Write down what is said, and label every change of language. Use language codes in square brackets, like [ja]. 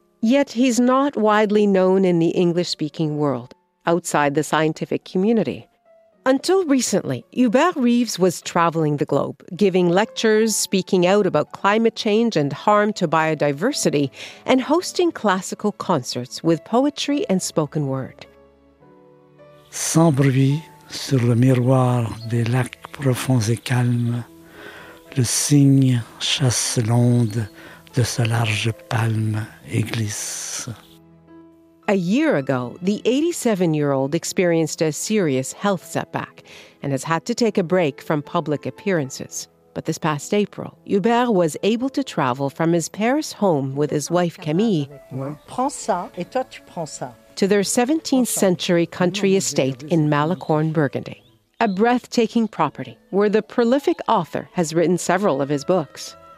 [en] Yet he's not widely known in the English-speaking world, outside the scientific community. Until recently, Hubert Reeves was traveling the globe, giving lectures, speaking out about climate change and harm to biodiversity, and hosting classical concerts with poetry and spoken word. [fr] Sans bruit, sur le miroir des lacs profonds et calmes, le cygne chasse l'onde de sa large palme et glisse. [en] A year ago, the 87-year-old experienced a serious health setback and has had to take a break from public appearances. But this past April, Hubert was able to travel from his Paris home with his wife Camille to their 17th-century country estate in Malicorne, Burgundy, a breathtaking property where the prolific author has written several of his books.